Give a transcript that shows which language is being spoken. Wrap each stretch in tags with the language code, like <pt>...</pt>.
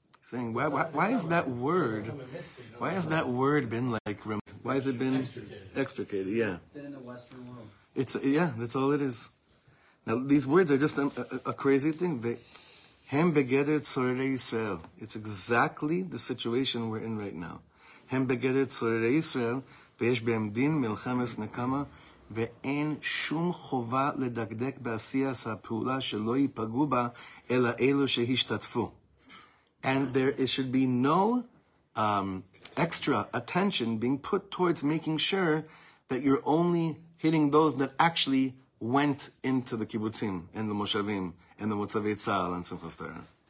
<en>Saying, why is that word, why has that word been like, why has it been extricated? Yeah. Been in the Western world. It's, yeah, that's all it is. Now, these words are just a crazy thing.</en> <he>Hem begeder tzorere Yisrael.</he> <en>It's exactly the situation we're in right now.</en> <he>Hem begeder tzorere Yisrael. ויש בהם דין מלחמס נקמה, ואין שום חובה לדקדק בעשיית הפעולה שלא ייפגעו בה, אלא אלו שהשתתפו.</he> <en>And there it should be no extra attention being put towards making sure that you're only hitting those that actually went into the kibbutzim, and the moshavim, and the motzavei tzal, and Simchas Torah.</en>